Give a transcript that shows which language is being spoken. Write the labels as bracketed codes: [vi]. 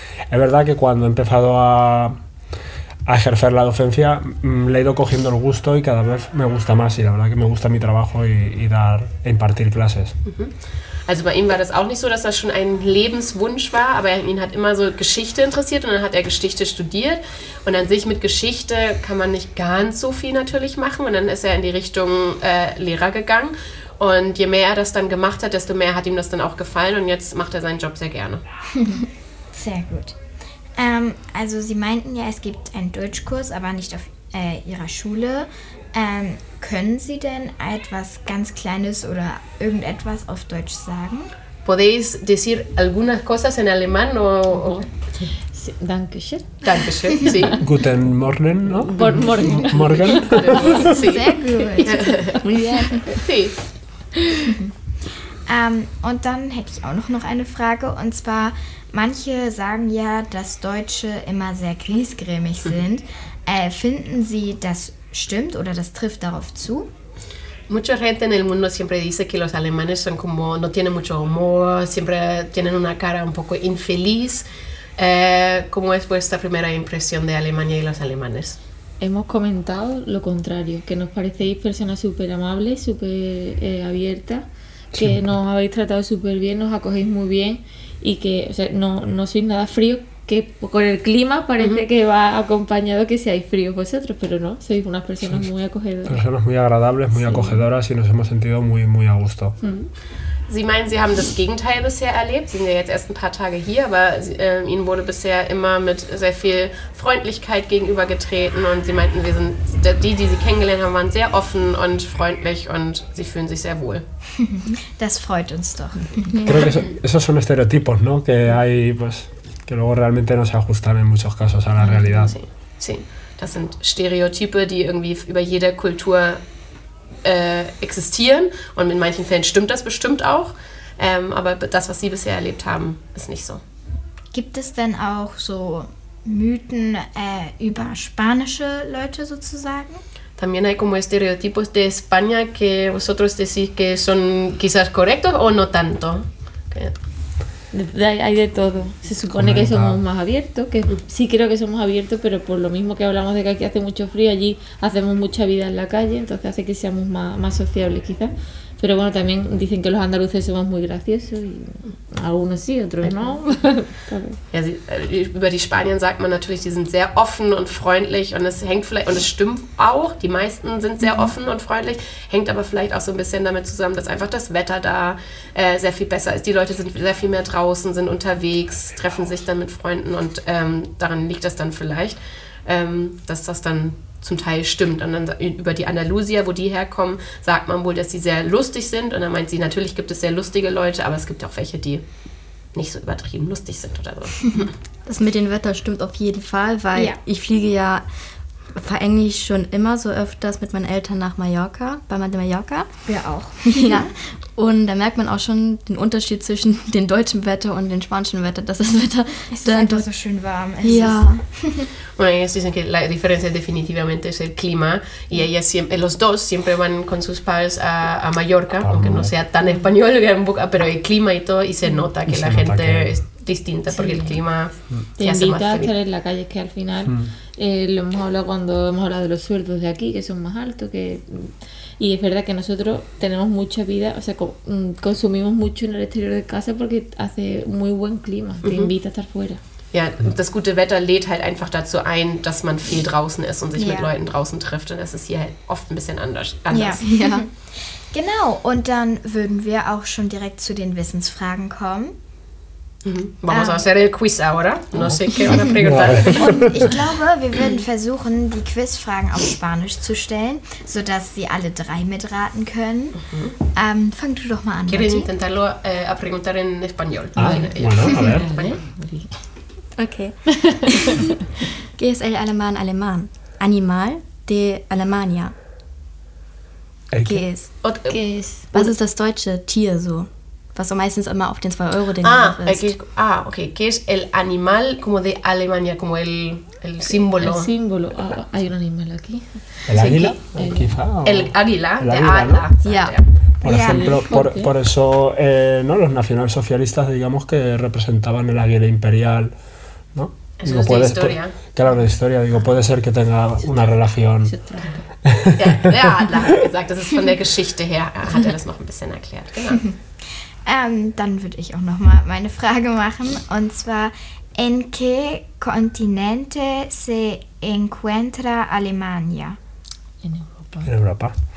[es] Es verdad que cuando he empezado a ejercer la docencia le he ido cogiendo el gusto y cada vez me gusta más y la verdad que me gusta mi trabajo y dar e impartir clases. [de] Also bei ihm war das auch nicht so, dass das schon ein Lebenswunsch war, aber ihn hat immer so Geschichte interessiert und dann hat er Geschichte studiert und an sich mit Geschichte kann man nicht ganz so viel natürlich machen und dann ist er in die Richtung Lehrer gegangen und je mehr er das dann gemacht hat, desto mehr hat ihm das dann auch gefallen und jetzt macht er seinen Job sehr gerne. Sehr gut. Also Sie meinten ja, es gibt einen Deutschkurs, aber nicht auf Ihrer Schule. ¿Können Sie denn etwas ganz Kleines oder irgendetwas auf Deutsch sagen? [es] ¿Podéis decir algunas cosas en alemán o...? [de] Sí, danke schön. Danke schön, sí. Guten Morgen, ¿no? Guten Morgen. Morgen. Sí. Sehr gut. [es] Muy bien. Sí. [de] Und dann hätte ich auch noch eine Frage. Und zwar, manche sagen ja, dass Deutsche immer sehr griesgrämig sind. Finden Sie das... ¿Stimmt o das trifft darauf zu? [es] Mucha gente en el mundo siempre dice que los alemanes son como, no tienen mucho humor, siempre tienen una cara un poco infeliz. ¿Cómo es vuestra primera impresión de Alemania y los alemanes? Hemos comentado lo contrario, que nos parecéis personas súper amables, súper abiertas, que sí. Nos habéis tratado súper bien, nos acogéis muy bien y que o sea, no sois nada frío. Que con el clima parece uh-huh. que va acompañado que si hay frío vosotros, pero no, sois unas personas muy acogedoras. Personas muy agradables, muy sí. acogedoras y nos hemos sentido muy, muy a gusto. Uh-huh. [de] Sie meinen, Sie haben das Gegenteil bisher erlebt, Sie sind ja jetzt erst ein paar Tage hier, aber Ihnen wurde bisher immer mit sehr viel Freundlichkeit gegenübergetreten und Sie meinten, wir sind die Sie kennengelernt haben, waren sehr offen und freundlich und Sie fühlen sich sehr wohl. Das freut uns doch. [es] Creo que esos son estereotipos, ¿no? Que hay, pues... que luego realmente no se ajustan en muchos casos a la realidad. [de] Sí, das sind Stereotype, die irgendwie über jede Kultur existieren und in manchen Fällen stimmt das bestimmt auch, aber das, was Sie bisher erlebt haben, ist nicht so. Gibt es denn auch so Mythen über spanische Leute sozusagen? [es] También hay como estereotipos de España que vosotros decís que son quizás correctos o no tanto. Okay. Hay de todo. Se supone que somos más abiertos, que sí creo que somos abiertos, pero por lo mismo que hablamos de que aquí hace mucho frío, allí hacemos mucha vida en la calle, entonces hace que seamos más sociables quizás. Pero bueno, también dicen que los andaluces somos muy graciosos y algunos sí, otros no. [de] Ja, über die Spanier sagt man natürlich, die sind sehr offen und freundlich und es hängt vielleicht, und es stimmt auch, die meisten sind sehr offen und freundlich, hängt aber vielleicht auch so ein bisschen damit zusammen, dass einfach das Wetter da sehr viel besser ist. Die Leute sind sehr viel mehr draußen, sind unterwegs, treffen sich dann mit Freunden und daran liegt das dann vielleicht, dass das dann... zum Teil stimmt. Und dann über die Andalusier, wo die herkommen, sagt man wohl, dass sie sehr lustig sind. Und dann meint sie, natürlich gibt es sehr lustige Leute, aber es gibt auch welche, die nicht so übertrieben lustig sind oder so. Das mit dem Wetter stimmt auf jeden Fall, weil ja. ich fliege ja eigentlich schon immer so öfters mit meinen Eltern nach Mallorca, bei Mallorca. Wir auch. Ja. Und da merkt man auch schon den Unterschied zwischen dem deutschen Wetter und dem spanischen Wetter, dass das Wetter es ist einfach so schön warm. Es ja. [es] Bueno, ellos dicen que la diferencia definitivamente es el clima y ellas siempre, los dos siempre van con sus padres a Mallorca, aunque no sea tan español, pero el clima y todo, y se nota que la gente distinta, sí, porque el clima te hace invita más frío. A estar en la calle, es que al final lo hemos hablado cuando hemos hablado de los sueldos de aquí, que son más altos, que y es verdad que nosotros tenemos mucha vida, o sea, consumimos mucho en el exterior de casa porque hace muy buen clima, te invita a estar fuera. [de] Ja, das gute Wetter lädt halt einfach dazu ein, dass man viel draußen ist und sich mit Leuten draußen trifft. Und das ist hier halt oft ein bisschen anders. Ja. Genau, und dann würden wir auch schon direkt zu den Wissensfragen kommen. [es] Vamos a hacer el quiz ahora. No sé qué van a preguntar. [de] Und ich glaube, wir würden versuchen, die Quizfragen auf Spanisch zu stellen, sodass sie alle drei mitraten können. Mhm. Fang du doch mal an. [es] Quieren intentarlo a preguntar en español. Ah, bueno, a ver. Okay. ¿Qué es el alemán alemán? Animal de Alemania. ¿Qué es? ¿Qué es? [de] Was ist das deutsche Tier so? Was so meistens immer auf den 2 Euro den Hof ist. Ah, okay. [es] ¿Qué es el animal como de Alemania? Como el símbolo. El símbolo. Oh, hay un animal aquí. ¿El águila? El águila de ala. Ya. Por ejemplo, por eso ¿no? Los nacionalsocialistas, digamos, que representaban el águila imperial, ¿no? Eso no es puede, de historia. Claro, de historia. Digo, puede ser que tenga una relación. [de] Ja, der Adler, gesagt, das ist von der Geschichte her, hat das noch ein bisschen erklärt. Genau. Dann würde ich auch noch mal meine Frage machen, und zwar, [es] ¿en qué continente se encuentra Alemania? En Europa.